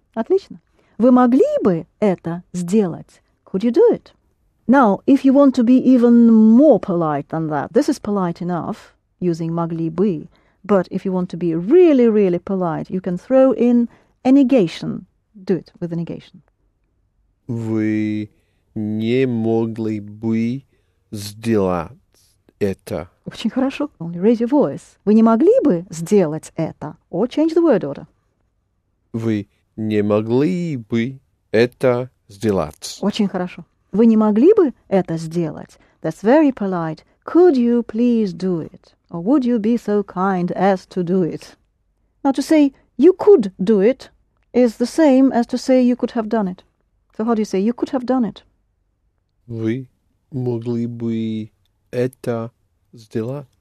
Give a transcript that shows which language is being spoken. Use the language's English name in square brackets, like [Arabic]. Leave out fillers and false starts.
[Russian] Отлично. Вы могли бы это сделать? [English] Could you do it? Now, if you want to be even more polite than that, this is polite enough, using могли бы, but if you want to be really, really polite, you can throw in a negation. Do it with a negation. [Russian] Вы не могли бы сделать это? Очень хорошо. [English] Only raise your voice. [Russian] Вы не могли бы сделать это? [English] Or change the word order. [Russian] Вы не могли бы это сделать. Очень хорошо. Вы не могли бы это сделать? [English] That's very polite. Could you please do it? Or would you be so kind as to do it? Now to say you could do it is the same as to say you could have done it. So how do you say you could have done it? [Russian] Вы могли бы это сделать?